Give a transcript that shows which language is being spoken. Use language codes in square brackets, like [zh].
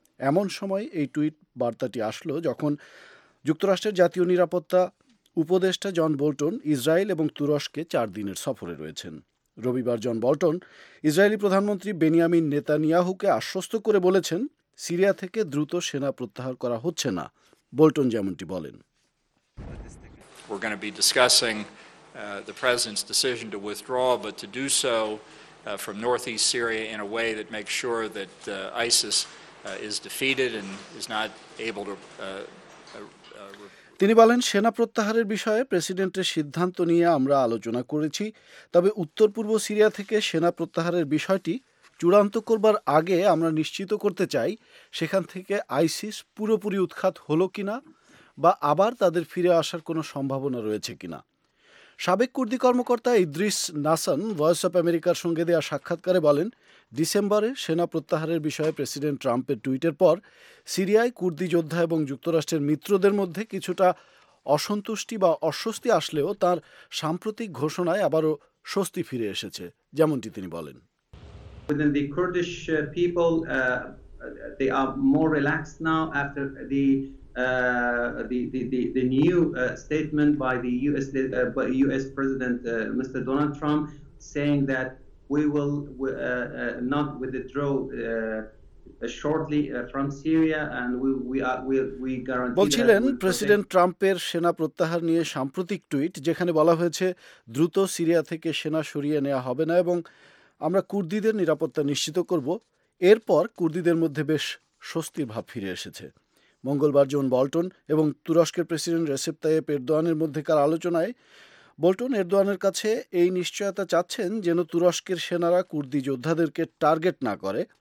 [bn] এমন সময় এই টুইট বার্তাটি আসলো যখন যুক্তরাষ্ট্রের জাতীয় নিরাপত্তা উপদেষ্টা জন বোল্টন ইসরায়েল এবং তুরস্কে 4 দিনের সফরে রয়েছেন। রবিবার জন বোল্টন ইসরায়েলি প্রধানমন্ত্রী বেনিয়ামিন নেতানিয়াহুকে আশ্বস্ত করে বলেছেন সিরিয়া থেকে দ্রুত সেনা প্রত্যাহার করা হচ্ছে না। বোল্টন যেমনটি বলেন, [en] The president's decision to withdraw, but to do so from northeast Syria in a way that makes sure that ISIS is defeated and is not able to [bn] তিনি বলেন সেনা প্রত্যাহারের বিষয়ে প্রেসিডেন্টের সিদ্ধান্ত নিয়ে আমরা আলোচনা করেছি, তবে উত্তর পূর্ব সিরিয়া থেকে সেনা প্রত্যাহারের বিষয়টি চূড়ান্ত করবার আগে আমরা নিশ্চিত করতে চাই সেখান থেকে আইসিস পুরোপুরি উৎখাত হলো কিনা বা আবার তাদের ফিরে আসার কোনো সম্ভাবনা রয়েছে কিনা। সাবেক কুর্দি কর্মকর্তা ইদ্রিস নাসান ভয়েস অফ আমেরিকার সঙ্গে দেওয়া সাক্ষাৎকারে বলেন ডিসেম্বরে সেনা প্রত্যাহারের বিষয়ে প্রেসিডেন্ট ট্রাম্পের টুইটের পর সিরিয়ায় কুর্দি যোদ্ধা এবং যুক্তরাষ্ট্রের মিত্রদের মধ্যে কিছুটা অসন্তুষ্টি বা অস্বস্তি আসলেও তাঁর সাম্প্রতিক ঘোষণায় আবারও স্বস্তি ফিরে এসেছে, যেমনটি তিনি বলেন। [en] The new statement by the US US president Mr. Donald Trump saying that we will not withdraw shortly from Syria and we guarantee [bn] বলছিলেন প্রেসিডেন্ট ট্রাম্পের সেনা প্রত্যাহার নিয়ে সাম্প্রতিক টুইট যেখানে বলা হয়েছে দ্রুত সিরিয়া থেকে সেনা সরিয়ে নেওয়া হবে না এবং আমরা কুর্দিদের নিরাপত্তা নিশ্চিত করব, এরপর কুর্দিদের মধ্যে বেশ স্বস্তির ভাব ফিরে এসেছে। মঙ্গলবার জন বোল্টন এবং তুরস্কের প্রেসিডেন্ট রেসেপ তাইয়েপ এরদোয়ানের মধ্যেকার আলোচনায় বোল্টন এরদোয়ানের কাছে এই নিশ্চয়তা চাচ্ছেন যেন তুরস্কের সেনারা কুর্দি যোদ্ধাদেরকে টার্গেট না করে।